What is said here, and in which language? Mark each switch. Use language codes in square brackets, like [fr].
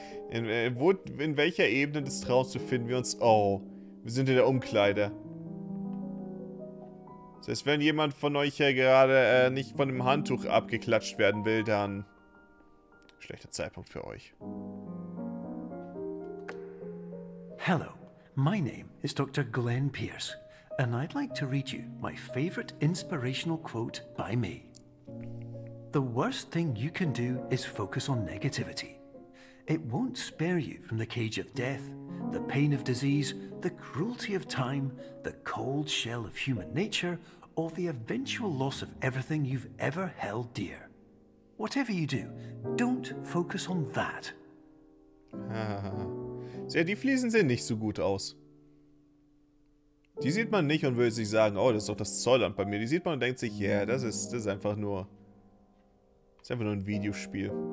[de] In welcher Ebene des Traums befinden wir uns? Oh, wir sind in der Umkleide. Das heißt, wenn jemand von euch hier gerade nicht von dem Handtuch abgeklatscht werden will, dann schlechter Zeitpunkt für euch. [en] Hello. My name is Dr. Glenn Pierce, and I'd like to read you my favorite inspirational quote by me. The worst thing you can do is focus on negativity. It won't spare you from the cage of death, the pain of disease, the cruelty of time, the cold shell of human nature, or the eventual loss of everything you've ever held dear. Whatever you do, don't focus on that. [de] Ja, die Fliesen sehen nicht so gut aus. Die sieht man nicht und würde sich sagen, oh, das ist doch das Zollamt bei mir. Die sieht man und denkt sich, ja, yeah, das ist einfach nur ein Videospiel.